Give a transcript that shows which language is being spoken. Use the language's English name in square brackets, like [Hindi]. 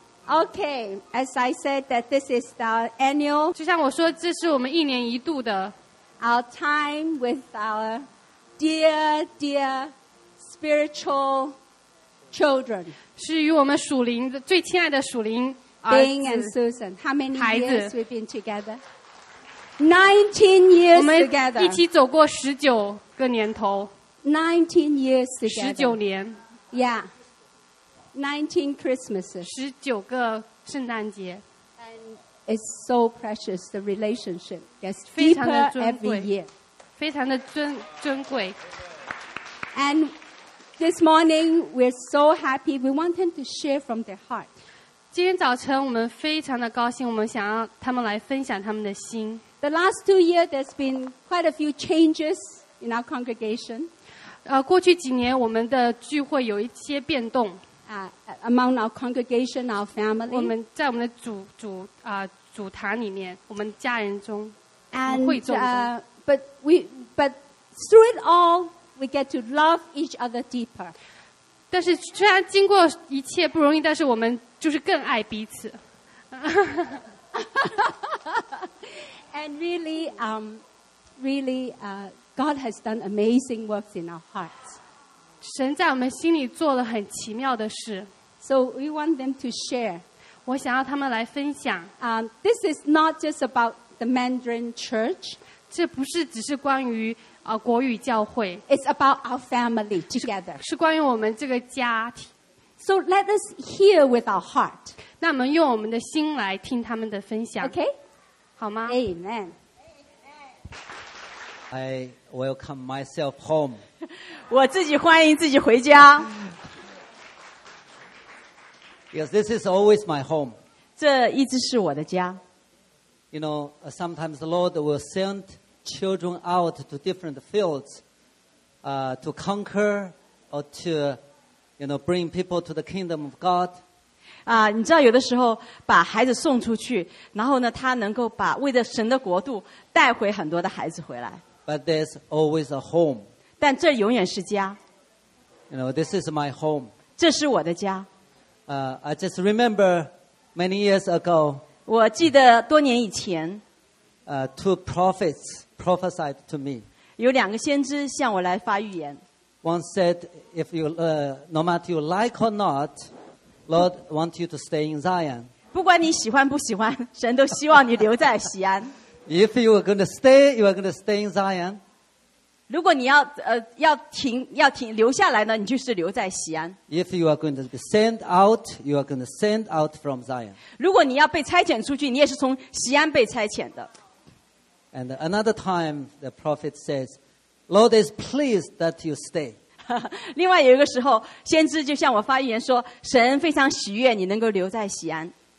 [English] Okay, as I said, that this is the annual. [Chinese] 就像我说，这是我们一年一度的 [English] our time with our dear spiritual children. [Chinese] 是与我们属灵的最亲爱的属灵儿子。 [English] Bing and Susan, how many years we've been together? 19 years together. [Chinese] 我们一起走过十九个年头。 [English] 19 years together. [Chinese] 十九年。 [English] Yeah. 19 Christmases. [Chinese] 19个圣诞节。 [English] And it's so precious, the relationship gets deeper every year. [Chinese] 非常的尊贵。 [English] And this morning, we're so happy. We want them to share from their heart. [Chinese] 今天早晨我们非常的高兴，我们想要他们来分享他们的心。 [English] The last 2 years, there's been quite a few changes in our congregation. [Chinese] 过去几年我们的聚会有一些变动。 [English] Among our congregation, our family. [Chinese] 我们在我们的主坛里面，我们家人中， [English] and, [Chinese] 会众中。 [English] But through it all, we get to love each other deeper. [Chinese] 但是虽然经过一切不容易，但是我们就是更爱彼此。 [English] And really, God has done amazing works in our hearts. [Chinese] 神在我们心里做了很奇妙的事。 [English] So we want them to share. [Chinese] 我想要他们来分享。 [English] This is not just about the Mandarin Church. [Chinese] 这不是只是关于国语教会。 [English] It's about our family together. [Chinese] 是关于我们这个家庭。 [English] So let us hear with our heart. [Chinese] 那我们用我们的心来听他们的分享。 [English] Okay? [Chinese] 好吗？ [English] Amen. I welcome myself home. [Chinese] 我自己欢迎自己回家。 [English] Yes, this is always my home. [Chinese] 这一直是我的家。 [English] You know, sometimes the Lord will send children out to different fields, to conquer or to, you know, bring people to the kingdom of God. [Chinese] 你知道有的时候把孩子送出去，然后呢，他能够把为了神的国度带回很多的孩子回来。 [English] But there's always a home. [Chinese] 但这永远是家。 [English] You know, this is my home. [Chinese] 这是我的家。 [English] I just remember many years ago. [Chinese] 我记得多年以前。 [English] Two prophets prophesied to me. [Chinese] 有两个先知向我来发预言。 [English] One said, "If you, no matter you like or not, Lord want you to stay in Zion." [Chinese] 不管你喜欢不喜欢，神都希望你留在锡安。 [English] If you are going to stay, you are going to stay in Zion. [Chinese] 如果你要要停留下来呢，你就是留在锡安。 [English] If you are going to be sent out, you are going to send out from Zion. [Chinese] 如果你要被差遣出去，你也是从锡安被差遣的。 [English] And another time, the prophet says, "Lord is pleased that you stay." [Chinese] 另外有一个时候，先知就向我发预言说，神非常喜悦你能够留在锡安。